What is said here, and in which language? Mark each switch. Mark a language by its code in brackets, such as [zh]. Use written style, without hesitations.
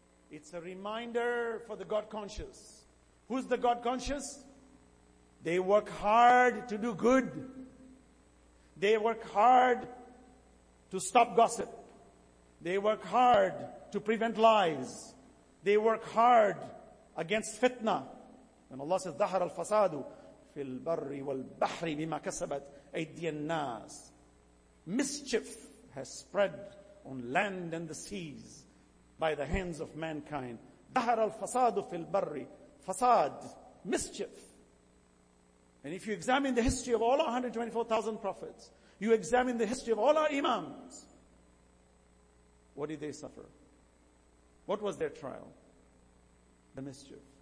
[en] It's a reminder for the God conscious. Who's the God conscious? They work hard to do good. They work hard to stop gossip. They work hard to prevent lies. They work hard against fitna. [ar] And Allah says, ظهر الفساد في البر والبحر بما كسبت أيدي الناس. [en] Mischief has spread on land and the seas by the hands of mankind. [ar] ظهر الفساد في البر. [en] Fasad, mischief. And if you examine the history of all our 124,000 prophets, you examine the history of all our imams, what did they suffer? What was their trial? The mischief.